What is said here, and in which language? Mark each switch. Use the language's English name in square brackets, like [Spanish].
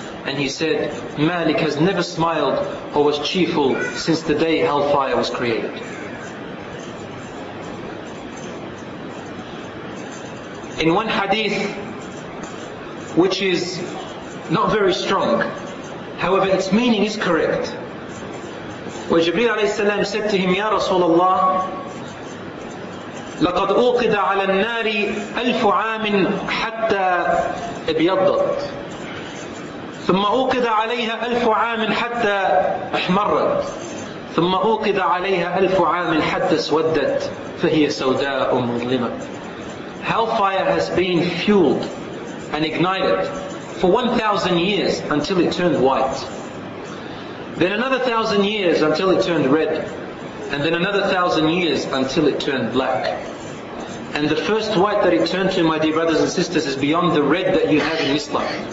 [English] And he said, Malik has never smiled or was cheerful since the day hellfire was created. In one hadith, which is not very strong, however, its meaning is correct. Where Jibreel alayhi salam said to him, Ya Rasulullah, [Arabic] لَقَدْ أُوْقِدَ عَلَى النَّارِ أَلْفُ عَامٍ حَتَّى أَبْيَضَّتْ ثُمَّ أُوْقِدَ عَلَيْهَا أَلْفُ عَامٍ حَتَّى أَحْمَرَّتْ ثُمَّ أُوْقِدَ عَلَيْهَا أَلْفُ عَامٍ حَتَّى سَوَدَّتْ فَهِيَ سَوْدَاءٌ مُظْلِمَةٌ. [English] Hellfire has been fueled and ignited for 1,000 years until it turned white. Then another 1,000 years until it turned red. And then another 1,000 years until it turned black. And the first white that it turned to, my dear brothers and sisters, is beyond the red that you have in Islam.